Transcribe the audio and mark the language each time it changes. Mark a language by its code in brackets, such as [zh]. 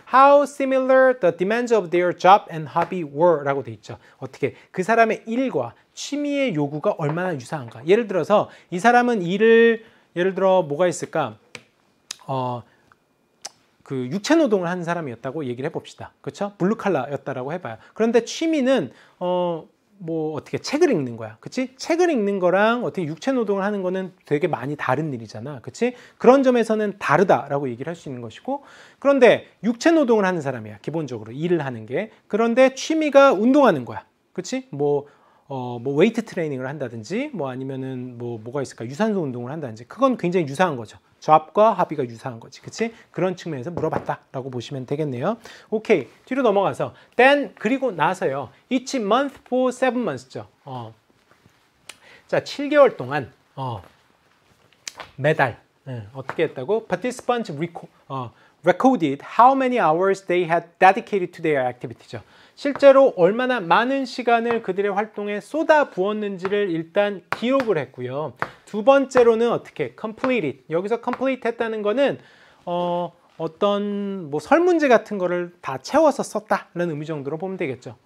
[en] How similar the demands of their job and hobby were [ko] 라고 돼 있죠. 어떻게 그 사람의 일과 취미의 요구가 얼마나 유사한가. 예를 들어서 이 사람은 일을, 예를 들어 뭐가 있을까? 그 육체 노동을 하는 사람이었다고 얘기를 해봅시다. 그렇죠? 블루칼라였다라고 해봐요. 그런데 취미는 어떻게 책을 읽는 거야. 그치? 책을 읽는 거랑 어떻게 육체 노동을 하는 거는 되게 많이 다른 일이잖아. 그치? 그런 점에서는 다르다라고 얘기를 할 수 있는 것이고. 그런데 육체 노동을 하는 사람이야. 기본적으로 일을 하는 게. 그런데 취미가 운동하는 거야. 그치? 웨이트 트레이닝을 한다든지, 뭐 아니면은 뭐가 있을까? 유산소 운동을 한다든지. 그건 굉장히 유사한 거죠. 조합과 합의가 유사한 거지. 그치? 그런 측면에서 물어봤다라고 보시면 되겠네요. 오케이. 뒤로 넘어가서. [en] Then, [ko] 그리고 나서요. [en] Each month for 7 months죠. [ko] 자, 7개월 동안, 매달. 어떻게 했다고? [en] Participants recorded how many hours they had dedicated to their activity죠. [ko] 실제로 얼마나 많은 시간을 그들의 활동에 쏟아부었는지를 일단 기록을 했고요. 두 번째로는 어떻게 completed. 여기서 complete 했다는 거는 어떤 뭐 설문지 같은 거를 다 채워서 썼다라는 의미 정도로 보면 되겠죠.